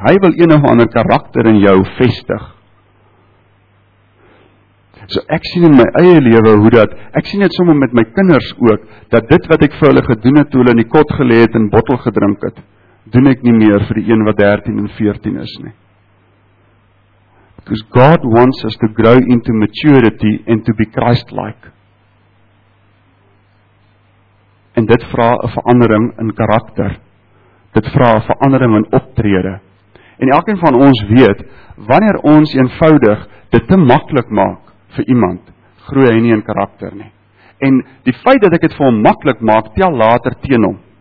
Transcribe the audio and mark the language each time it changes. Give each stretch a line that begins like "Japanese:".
Afrikaans: Hy wil een of ander karakter in jou vestig. So ek sien in my eie lewe hoe dat, ek sien dit sommer met my kinders ook, dat dit wat ek vir hulle gedoen het, toe hulle in die kot gelê het en bottel gedrink het, doen ek nie meer vir die een wat 13 en 14 is nie.
English: Because God wants us to grow into maturity and to be Christ-like.
Afrikaans: En dit vra 'n verandering in karakter. Dit vra 'n verandering in optrede. En elkeen van ons weet, wanneer ons eenvoudig dit te maklik maak, vir iemand, groei hy nie in karakter nie. En die feit dat ek dit vir hom maklik maak, tel later teen hom.